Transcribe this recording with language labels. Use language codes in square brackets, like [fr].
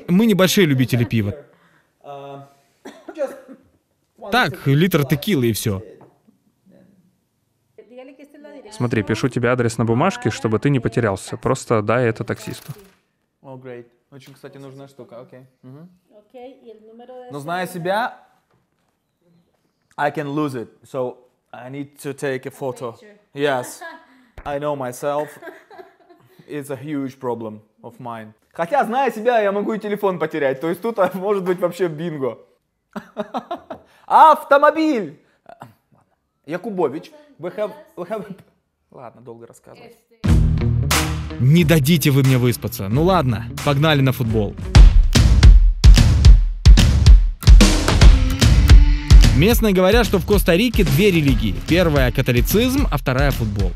[ru] Мы небольшие любители пива. Так, литр текилы и все. Смотри, пишу тебе адрес на бумажке, чтобы ты не потерялся. Просто дай это таксисту. [en] О, great. [ru] Очень, кстати, нужная штука, окей. Но зная себя, [en] I can lose it. So I need to take a photo. Yes. I know myself. It's a huge problem of mine. [ru] Хотя, зная себя, я могу и телефон потерять. То есть тут может быть вообще бинго. Автомобиль! [en] Якубович, we have... [ru] Ладно, долго рассказывать. Не дадите вы мне выспаться. Ну ладно, погнали на футбол. Местные говорят, что в Коста-Рике две религии. Первая – католицизм, а вторая – футбол.